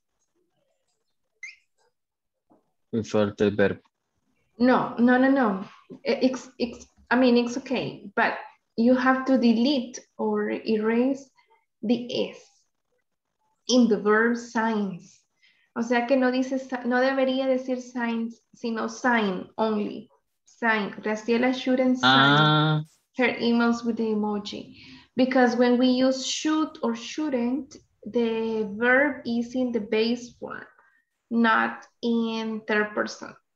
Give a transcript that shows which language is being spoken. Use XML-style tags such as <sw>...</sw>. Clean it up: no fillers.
<en>Mm-hmm. Before the verb. No. It's okay, but you have to delete or erase the S in the verb signs.</en> <es>O sea que no dice, no debería decir signs, sino</es> <en>sign only. Sign. Graciela shouldn't sign her emails with the emoji. Because when we use should or shouldn't, the verb is in the base form, not in third person.</en>